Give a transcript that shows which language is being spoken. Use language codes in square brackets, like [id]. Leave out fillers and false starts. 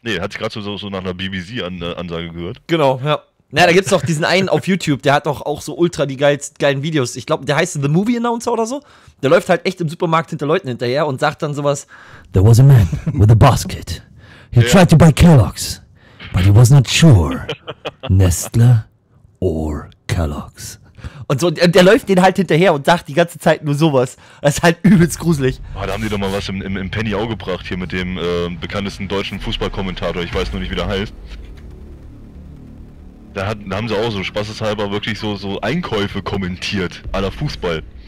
[de] Hat sich gerade so nach einer BBC-Ansage gehört. Genau, ja. Na, da gibt's doch diesen einen auf YouTube, der hat doch auch so ultra die geilen Videos. Ich glaube, der heißt The Movie Announcer oder so. Der läuft halt echt im Supermarkt hinter Leuten hinterher und sagt dann sowas. [en] There was a man with a basket. He tried to buy Kellogg's, but he was not sure. Nestle or Kellogg's. [de] Und so, der läuft den halt hinterher und sagt die ganze Zeit nur sowas. Das ist halt übelst gruselig. Ah, da haben die doch mal was im Penny auch gebracht hier mit dem bekanntesten deutschen Fußballkommentator. Ich weiß nur nicht, wie der heißt. Da haben sie auch so spaßeshalber wirklich so Einkäufe kommentiert, à la Fußball.